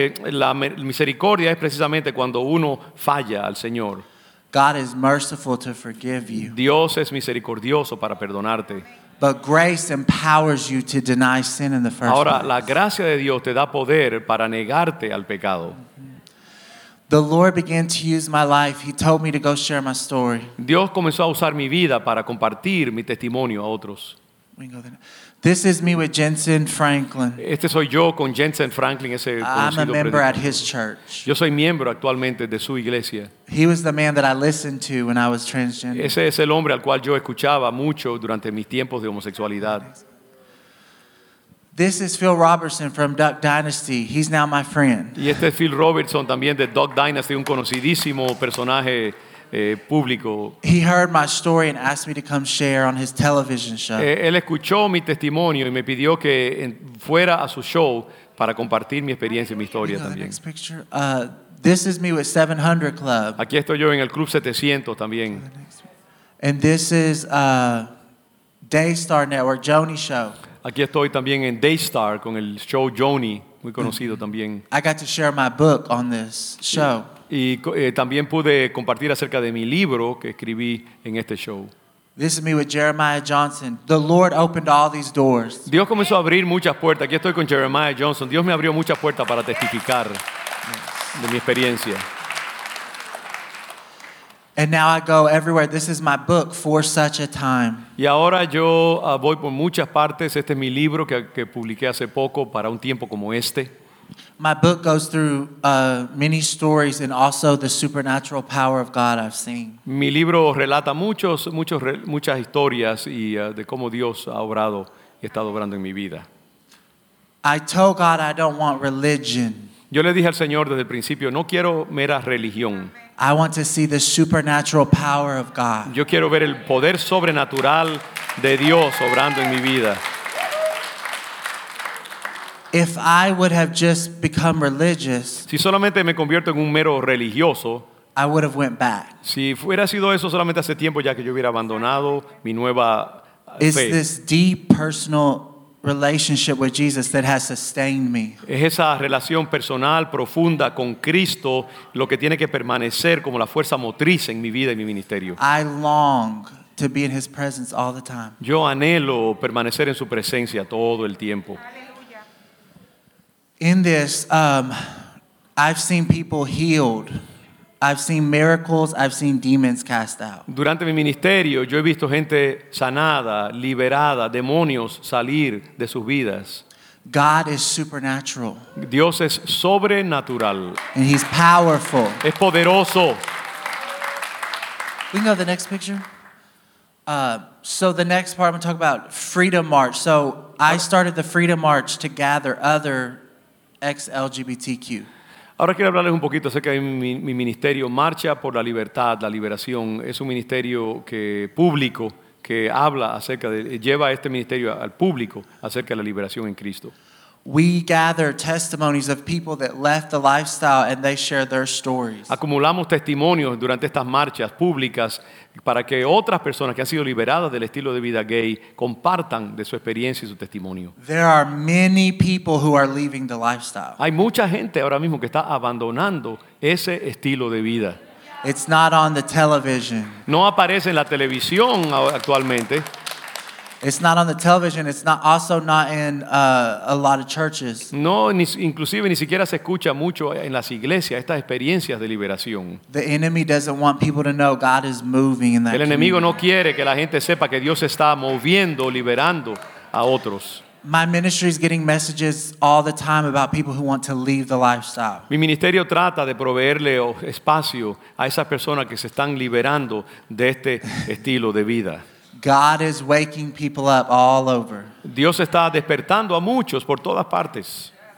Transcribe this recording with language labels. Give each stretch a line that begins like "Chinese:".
Spanish: La misericordia es precisamente cuando uno falla al Señor.
English: God is merciful to forgive you.
Spanish: Dios es misericordioso para perdonarte.
English: But grace empowers you to deny sin in the first place.
Spanish: Ahora, la gracia de Dios te da poder para negarte al pecado.
English: The Lord began to use my life. He told me to go share my story.
Spanish: Dios comenzó a usar mi vida para compartir mi testimonio a otros.
English: This is me with Jensen Franklin.
Spanish: Este soy yo con Jensen Franklin, ese conocido predicador.
English: I'm a member at his church.
Spanish: Yo soy miembro actualmente de su iglesia.
English: He was the man that I listened to when I was transgender.
Spanish: Ese es el hombre al cual yo escuchaba mucho durante mis tiempos de homosexualidad.
English: This is Phil Robertson from Duck Dynasty. He's now my friend.
Spanish: Y este es Phil Robertson también de Duck Dynasty, un conocidísimo personaje.
English: He heard my story and asked me to come share on his television show.
Spanish: Él escuchó mi testimonio y me pidió que fuera a su show para compartir mi experiencia y mi historia también.
English: Next picture. This is me with 700 Club.
Spanish: Aquí estoy yo en el Club 700 también.
English: And this is Daystar Network, Joni Show.
Spanish: Aquí estoy también en Daystar con el show Joni, muy conocido también.
English: I got to share my book on this show.
Spanish: Y también pude compartir acerca de mi libro que escribí en este show.
English: This is me with Jeremiah Johnson. The Lord opened all these doors.
Spanish: Dios comenzó a abrir muchas puertas. Aquí estoy con Jeremiah Johnson. Dios me abrió muchas puertas para testificar de mi experiencia.
English: And now I go everywhere. This is my book, For Such a Time.
Spanish: Y ahora yo voy por muchas partes. Este es mi libro que publiqué hace poco, Para un Tiempo Como Este.
English: My book goes through many stories and also the supernatural power of God I've seen.
Spanish: Mi libro relata muchas historias y de cómo Dios ha obrado y está obrando en mi vida.
English: I told God I don't want religion.
Spanish: Yo le dije al Señor desde el principio, no quiero mera religión.
English: I want to see the supernatural power of God.
Spanish: Yo quiero ver el poder sobrenatural de Dios obrando en mi vida.
English: If I would have just become religious,
Spanish: si solamente me convierto en un mero religioso,
English: I would have went back.
Spanish: Si fuera sido eso solamente hace tiempo, ya que yo hubiera abandonado mi nueva fe.
English: It's this deep personal relationship with Jesus that has sustained me.
Spanish: Es esa relación personal profunda con Cristo lo que tiene que permanecer como la fuerza motriz en mi vida y mi ministerio.
English: I long to be in His presence all the time.
Spanish: Yo anhelo permanecer en su presencia todo el tiempo.
English: In this, I've seen people healed. I've seen miracles. I've seen demons cast out.
Spanish: Durante mi ministerio, yo he visto gente sanada, liberada, demonios salir de sus vidas.
English: God is supernatural.
Spanish: Dios es sobrenatural.
English: And He's powerful.
Spanish: Es poderoso.
English: We can go to the next picture. So the next part, I'm going to talk about Freedom March. So I started the Freedom March to gather other ex-LGBTQ.
Spanish: Ahora quiero hablarles un poquito acerca de mi ministerio Marcha por la Libertad, la Liberación. Es un ministerio que público que habla acerca de lleva este ministerio al público acerca de la liberación en Cristo.
English: We gather testimonies of people that left the lifestyle and they share their stories.
Spanish: Acumulamos testimonios durante estas marchas públicas para que otras personas que han sido liberadas del estilo de vida gay compartan de su experiencia y su testimonio.
English: There are many people who are leaving the lifestyle.
Spanish: Hay mucha gente ahora mismo que está abandonando ese estilo de vida.
English: It's not on the television.
Spanish: No aparece en la televisión actualmente.
English: It's not on the television. It's not also not in a lot of churches.
Spanish: No, inclusive ni siquiera se escucha mucho en las iglesias estas experiencias de liberación.
English: The enemy doesn't want people to know God is moving in that.
Spanish: El enemigo no quiere que la gente sepa que Dios está moviendo, liberando a otros.
English: My ministry is getting messages all the time about people who want to leave the lifestyle.
Spanish: Mi ministerio trata de proveerle espacio a esas personas que se están liberando de este estilo de vida.
English: God is waking people up all over.
Spanish: Dios está despertando a muchos por todas partes.